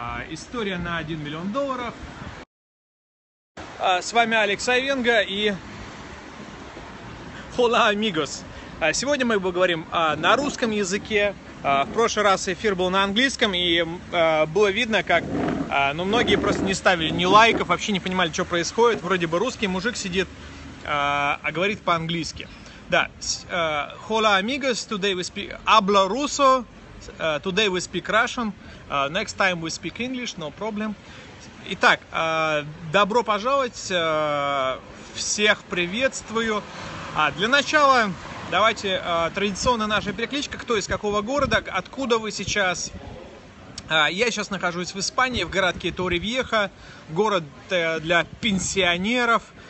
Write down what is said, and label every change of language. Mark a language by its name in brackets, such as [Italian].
[Russian] История на 1 миллион долларов. С вами Алекс Айвенго и [Spanish] Hola amigos. [Russian] Сегодня мы поговорим на русском языке. В прошлый раз эфир был на английском, и было видно, как многие просто не ставили ни лайков, вообще не понимали, что происходит. Вроде бы русский мужик сидит, а говорит по-английски. [English] Да, hola amigos, today we speak [Spanish] habla ruso, [English] today we speak Russian, next time we speak English, no problem. [Russian] Итак, добро пожаловать, всех приветствую. Для начала... Давайте традиционно наша перекличка, кто из какого города, откуда вы сейчас. Я сейчас нахожусь в Испании, в городке Торревьеха, город для пенсионеров.